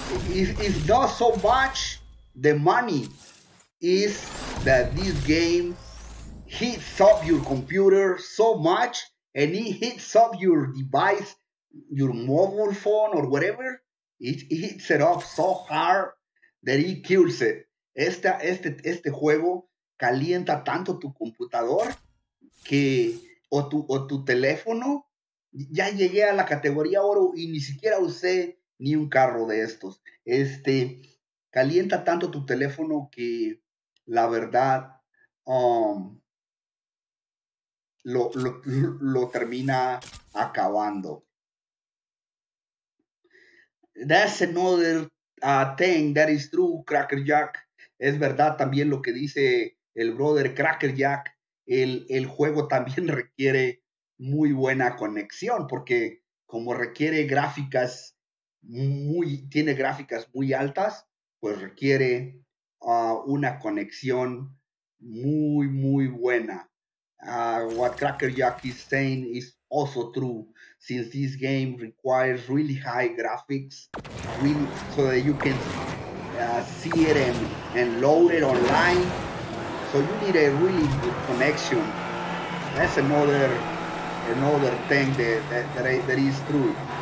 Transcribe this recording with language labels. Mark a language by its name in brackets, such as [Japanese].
[English] It's not so much the money, is that this game heats up your computer so much, and it heats up your device, your mobile phone or whatever. It heats it up so hard that it kills it. [Spanish] Este juego calienta tanto tu computador que o tu teléfono. Ya llegué a la categoría oro y ni siquiera usé ni un carro de estos. Calienta tanto tu teléfono que la verdad lo termina acabando. [English] That's another thing that is true, Cracker Jack. [Spanish] Es verdad también lo que dice el brother Cracker Jack. El juego también requiere muy buena conexión, porque como requiere gráficas tiene gráficas muy altas, pues requiere una conexión muy, muy buena. [English] What Cracker Jack is saying is also true, since this game requires really high graphics, really, so that you can see it and load it online. So you need a really good connection. That's another thing that is true.